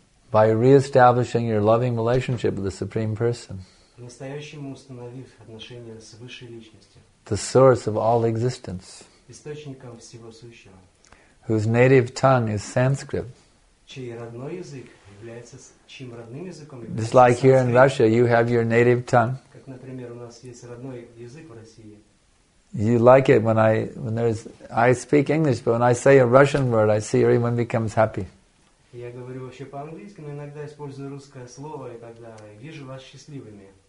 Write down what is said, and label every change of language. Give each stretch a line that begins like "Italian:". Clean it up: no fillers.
English: By re-establishing your loving relationship with the Supreme Person.
Russian: По-настоящему установив отношения с высшей личностью.
English: The source of all existence.
Russian: Источником всего сущего.
English: Whose native tongue is Sanskrit.
Russian: Чей родной язык является, чьим родным языком является
English: Just like Sanskrit. Here in Russia, you have your native tongue.
Russian: Как, например, у нас есть родной язык в России.
English: You like it when I speak English, but when I say a Russian word, I see everyone becomes happy.
Russian: Я говорю вообще по-английски, но иногда использую русское слово, и тогда вижу вас счастливыми.